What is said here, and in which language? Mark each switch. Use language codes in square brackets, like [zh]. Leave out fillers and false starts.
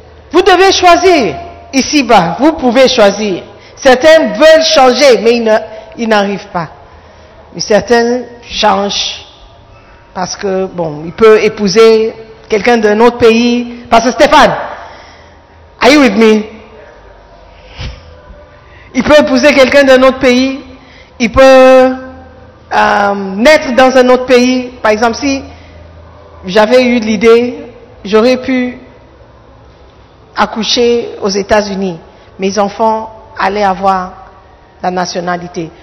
[fr] Vous devez choisir. Ici-bas, vous pouvez choisir. Certains veulent changer, mais ils n'arrivent pas. Mais certains changent parce que, bon, ils peuvent épouser quelqu'un d'un autre pays. Parce que [en] Stéphane, are you with me? [fr] Il peut épouser quelqu'un d'un autre pays. Il peut naître dans un autre pays. Par exemple, si j'avais eu l'idée, j'aurais pu accoucher aux États-Unis. Mes enfants allaient avoir la nationalité.